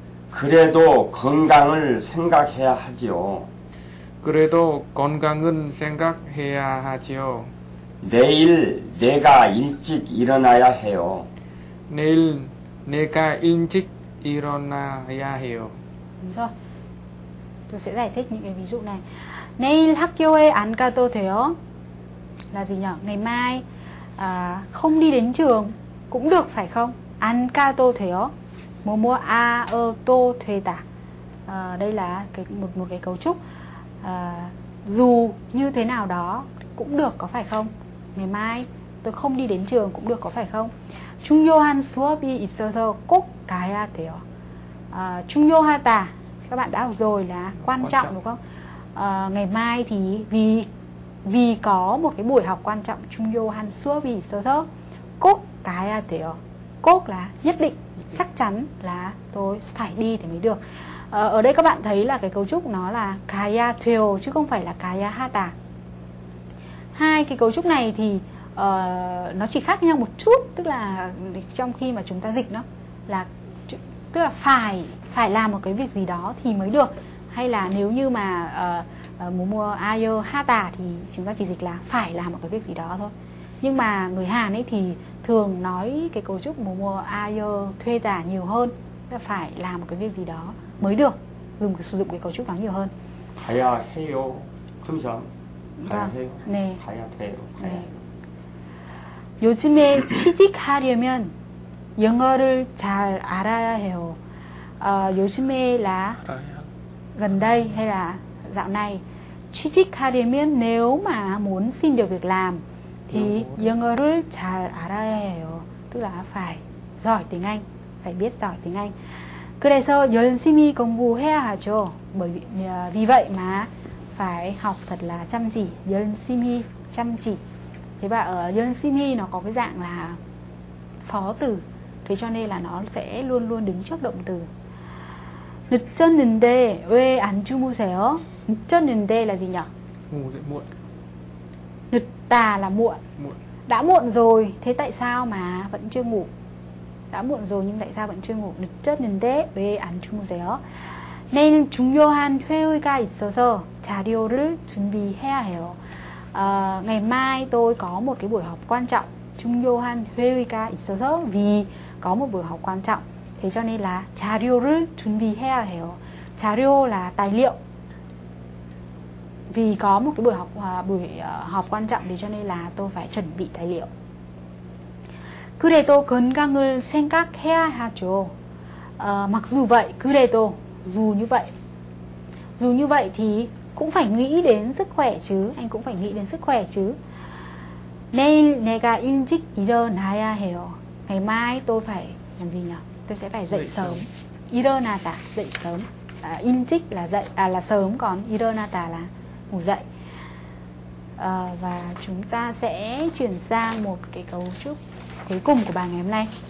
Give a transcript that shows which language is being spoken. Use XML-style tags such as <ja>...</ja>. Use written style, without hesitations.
<ko>그래도 건강을 생각해야 하지요. 그래도 건강은 생각해야 하지요. 내일 내가 일찍 일어나야 해요. 내일 내가 일찍 일어나야 해요.</ko> <vi>그래서 tôi sẽ giải thích những cái ví dụ này.</vi> <ko>내일 학교에 안 가도 돼요.</ko> <vi>Là gì nhỉ? Ngày mai không đi đến trường cũng được phải không?</vi> <ko>안 가도 돼요. 뭐 뭐 아 어 또 되다.</ko> <vi>Đây là một cái cấu trúc. Dù như thế nào đó cũng được có phải không? Ngày mai tôi không đi đến trường cũng được có phải không?</vi> <ko>중요한 수업이 있어서 꼭 가야 돼요.</ko> <vi>중요하다 các bạn đã học rồi là quan trọng đúng không? Ngày mai thì vì có một cái buổi học quan trọng,</vi> <ko>중요한 수업이 있어서 꼭 가야 돼요.</ko> <vi>꼭 là nhất định, chắc chắn là tôi phải đi thì mới được. Ở đây các bạn thấy là cái cấu trúc nó là kaya theo chứ không phải là kaya hata. Hai cái cấu trúc này thì nó chỉ khác nhau một chút, tức là trong khi mà chúng ta dịch nó là, tức là phải làm một cái việc gì đó thì mới được, hay là nếu như mà mua ayo hata thì chúng ta chỉ dịch là phải làm một cái việc gì đó thôi. Nhưng mà người Hàn ấy thì thường nói cái cấu trúc mua ayo thuê tả nhiều hơn, tức là phải làm một cái việc gì đó mới được, dùng sử dụng cái cấu trúc đó nhiều hơn. Phải à, heo, không sao. Phải à, heo. Nè. Phải à, thuê. Phải.</vi> <ko>취직하려면 영어를 잘 알아야 해요.</ko> <vi>요즘에 là gần đây hay là dạo này.</vi> <ko>취직하려면</ko> <vi>nếu mà muốn xin được việc làm thì</vi> <ko>영어를 잘 알아야 해요.</ko> <vi>Tức là phải giỏi tiếng Anh, phải biết giỏi tiếng Anh.</vi> <ko>그래서 열심히 공부해야 하죠.</ko> <vi>Bởi vì vậy mà phải học thật là chăm chỉ. 열심히, chăm chỉ. Thế và ở 열심히 nó có cái dạng là phó từ. Thế cho nên là nó sẽ luôn luôn đứng trước động từ.</vi> <ko>늦었는데 왜 안 주무세요?</ko> <vi>늦었는데 là gì nhỉ? Ngủ dậy muộn. 늦다 là muộn. Muộn. Đã muộn rồi, thế tại sao mà vẫn chưa ngủ? Đã muộn rồi nhưng tại sao vẫn chưa ngủ?</vi> <ko>늦었는데 왜 안 주무세요? 내일 중요한 회의가 있어서 자료를 준비해야 해요.</ko> <vi>Ngày mai tôi có một cái buổi họp quan trọng.</vi> <ko>중요한 회의가 있어서,</ko> <vi>vì có một buổi họp quan trọng. Thế cho nên là</vi> <ko>자료를 준비해야 해요.</ko> <vi>자료 là tài liệu. Vì có một cái buổi họp quan trọng, thế cho nên là tôi phải chuẩn bị tài liệu.</vi> <ko>그래도 건강을 생각해야 하죠.</ko> <vi>Mặc dù vậy, 그래도, dù như vậy. Dù như vậy thì cũng phải nghĩ đến sức khỏe chứ, anh cũng phải nghĩ đến sức khỏe chứ.</vi> <ko>내일 내가 일찍 일어나야 해요.</ko> <vi>Ngày mai tôi phải làm gì nhỉ? Tôi sẽ phải dậy sớm. 일어나다, dậy sớm. 일찍 là dậy, à là sớm, còn 일어나다 là ngủ dậy. Và chúng ta sẽ chuyển sang một cái cấu trúc cuối cùng của bài ngày hôm nay.</vi>